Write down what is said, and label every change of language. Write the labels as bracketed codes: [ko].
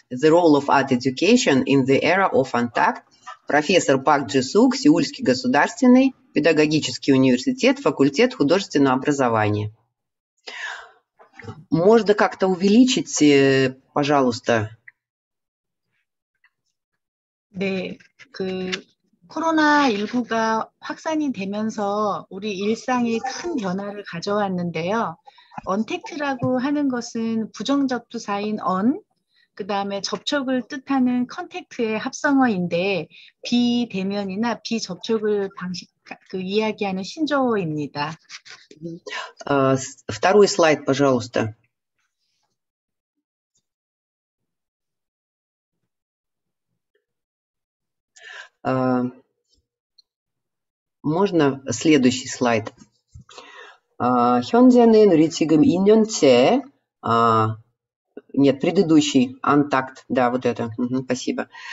[en] The role of art education in the era of [ru] антакт. Профессор Пак Джисук, Сеульский государственный педагогический университет, факультет художественного образования. Можно как-то увеличить, пожалуйста? Да, [ko] коронавирус가 확산이 되면서 우리 일상에 큰 변화를 가져왔는데요. 언택트라고 하는 것은 부정적 부사인 언, 그 다음에 접촉을 뜻하는 컨택트의 합성어인데 비대면이나 비접촉을 방식 그 이야기하는 신조어입니다. [ru] Второй слайд, пожалуйста. можно следующий слайд. [ko] 현재는 우리 지금 2년째, [ru] нет, предыдущий, антакт, да, вот это, спасибо.